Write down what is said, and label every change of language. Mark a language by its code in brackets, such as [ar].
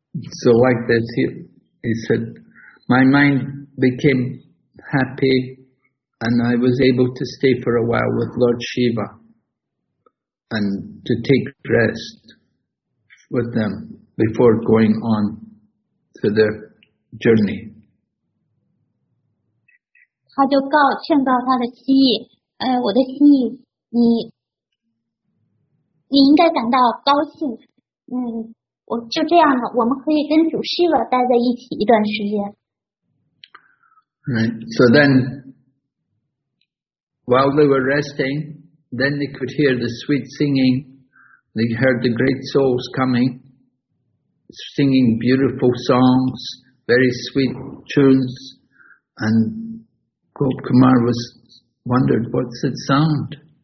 [en] So like this, he said, my mind became happy and I was able to stay for a while with Lord Shiva and to take rest with them before going on to the journey. [zh] 他就劝告他的心意，我的心意，你应该感到高兴，我就这样了，我们可以跟主师傅待在一起一段时间。 [en] Right, so then, while they were resting, then they could hear the sweet singing, they heard the great souls coming, singing beautiful songs, very sweet tunes, and Gop Kumar was wondered, what's that sound?